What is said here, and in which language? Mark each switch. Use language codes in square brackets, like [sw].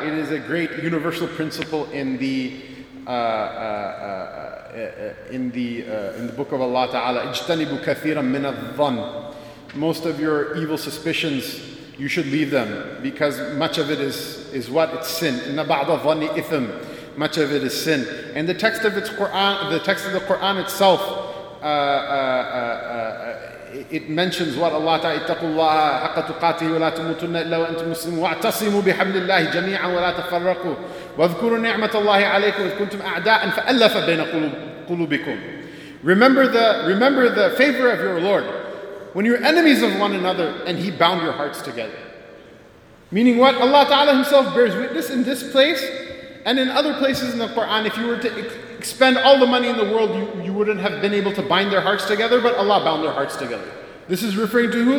[en] It is a great universal principle in the in the book of Allah Ta'ala, [ar] اجتنبوا كثيرا من الظن. [en] Most of your evil suspicions, you should leave them, because much of it is what? It's sin. [ar] إِنَّ بَعْضَ ظَنِّ إِثْمٍ. [en] Much of it is sin. And the text of its Quran, the text of the Quran itself, it mentions what Allah Ta'ala, [ar] اتقوا الله حق تقاته ولا تموتن إلا وأنتم مسلمون واعتصموا بحبل الله جميعا ولا تفرقوا واذكروا نعمة الله عليكم إذ كنتم أعداء فألف بين قلوبكم. [en] Remember the favor of your Lord when you're enemies of one another and He bound your hearts together. Meaning what? Allah Ta'ala Himself bears witness in this place and in other places in the Quran. If you were to spend all the money in the world, you wouldn't have been able to bind their hearts together, but Allah bound their hearts together. This is referring to who?